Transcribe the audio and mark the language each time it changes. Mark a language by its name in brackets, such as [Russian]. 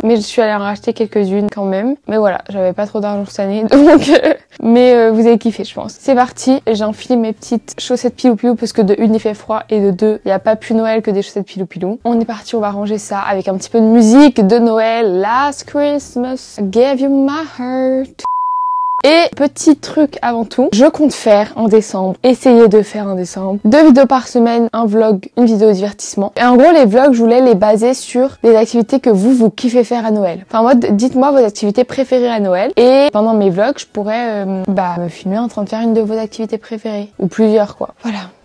[French] Mais je suis allée en racheter quelques-unes quand même. Mais voilà, j'avais pas trop d'argent cette année. Donc vous avez kiffé je pense. C'est parti, j'enfile mes petites chaussettes piloupilou parce que de une il fait froid et de deux il n'y a pas plus Noël que des chaussettes pilou pilou. On est parti, on va ranger ça avec un petit peu de musique de Noël. [English] Last Christmas I gave you my heart. [French] Et petit truc avant tout, je compte faire en décembre, essayer de faire en décembre, 2 vidéos par semaine, un vlog, une vidéo divertissement. Et en gros, les vlogs, je voulais les baser sur des activités que vous kiffez faire à Noël. Enfin, moi, dites-moi vos activités préférées à Noël. Et pendant mes vlogs, je pourrais me filmer en train de faire une de vos activités préférées. Ou plusieurs, quoi. Voilà.